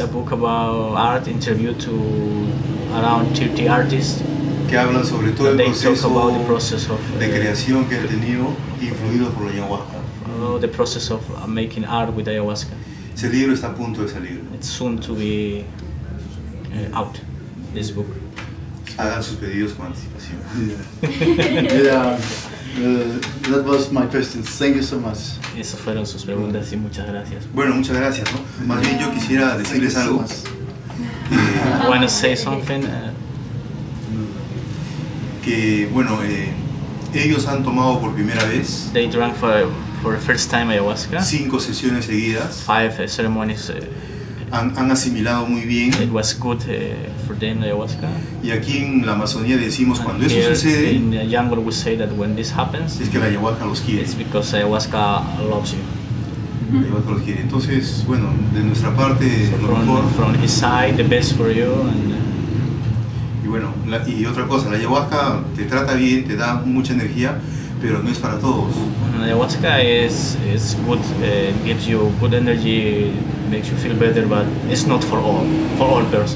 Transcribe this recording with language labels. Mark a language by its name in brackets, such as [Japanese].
[English] A book about art, interview to around 30 artists. [Spanish] Que hablan sobre todo el proceso, [English] about the process of, [Spanish] de creación que han tenido, influido por la ayahuasca. [English] About the process of making art with ayahuasca. [Spanish] Ese libro está a punto de salir. [English] It's soon to be out, this book. [Spanish] Hagan sus pedidos con anticipación. [English] Yeah. That was my question. Thank you so much. [Spanish] Esas fueron sus preguntas y muchas gracias. Bueno, muchas gracias, ¿no? Más bien yo quisiera decirles [English] so [Spanish] algo. [English] Want to say something? [Spanish] Que, bueno, ellos han tomado por primera vez. [English] They drank for the first time ayahuasca. [Spanish] 5 sesiones seguidas. [English] 5 ceremonies. [Spanish] Han asimilado muy bien. [English] It was good for them ayahuasca. [Spanish] Y aquí en la Amazonía decimos cuando eso sucede. [English] In the jungle we say that when this happens. [Spanish] Es que la ayahuasca los quiere. [English] It's because ayahuasca loves you. [Spanish] Ayahuasca los quiere. Entonces, bueno, de nuestra parte, [English] from his side, the best for you. And, [Spanish] y bueno, y otra cosa, la ayahuasca te trata bien, te da mucha energía. Pero no es para todos. [English] Ayahuasca is good, gives you good energy, makes you feel better, but it's not for all persons.